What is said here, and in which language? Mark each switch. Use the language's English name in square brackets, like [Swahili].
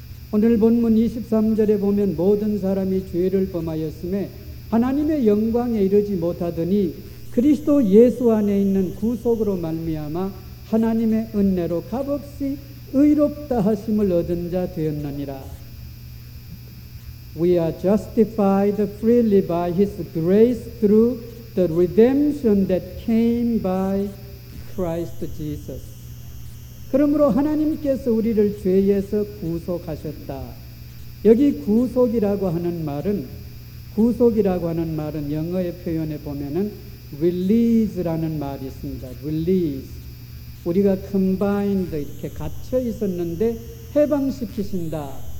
[Korean] 오늘 본문 23절에 보면 모든 사람이 죄를 범하였음에 하나님의 영광에 이르지 못하더니, 그리스도 예수 안에 있는 구속으로 말미암아 하나님의 은혜로 값없이 의롭다 하심을 얻은 자 되었느니라. [English] We are justified freely by his grace through the redemption that came by Christ Jesus. [Korean] 그러므로 하나님께서 우리를 죄에서 구속하셨다. 여기 구속이라고 하는 말은 영어의 표현에 보면은 release라는 말이 있습니다. release. 우리가 combined 이렇게 갇혀 있었는데 해방시키신다.